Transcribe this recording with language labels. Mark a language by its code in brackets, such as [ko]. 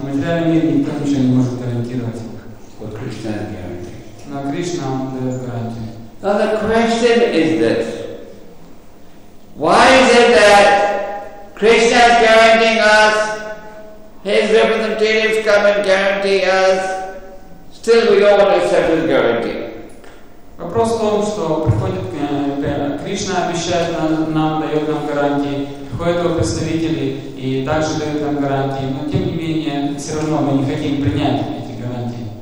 [ru] мы делаем мир никто ничего не может гарантировать. [en] But Krishna is guaranteed. [ru] Но Кришна дает гарантию. [en] Now the question is this. Why is it that Krishna is guaranteeing us, his representatives come and guarantee us, still we don't want to accept his guarantee? [ru] Вопрос в том, что приходит Кришна, обещает нам, дает нам гарантии, приходят его представители и также дают нам гарантии, но тем не менее, все равно мы не хотим принять эти гарантии.